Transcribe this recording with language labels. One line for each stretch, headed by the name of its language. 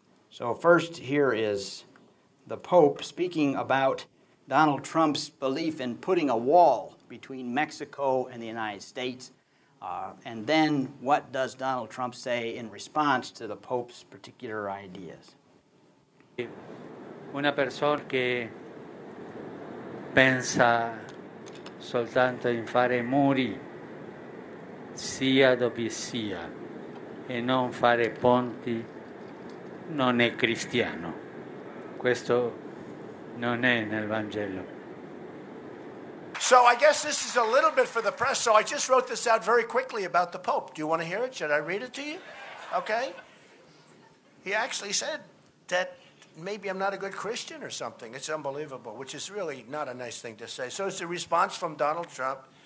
English: So first here is the Pope speaking about Donald Trump's belief in putting a wall between Mexico and the United States. And then what does Donald Trump say in response to the Pope's particular ideas?
Italian: Una persona que pensa soltanto in fare muri, sia dove sia, e non fare ponti, non è cristiano. Questo non è nel Vangelo.
English: So I guess this is a little bit for the press, so I just wrote this out very quickly about the Pope. Do you want to hear it? Should I read it to you? Okay. He actually said that maybe I'm not a good Christian or something. It's unbelievable, which is really not a nice thing to say. So it's a response from Donald Trump.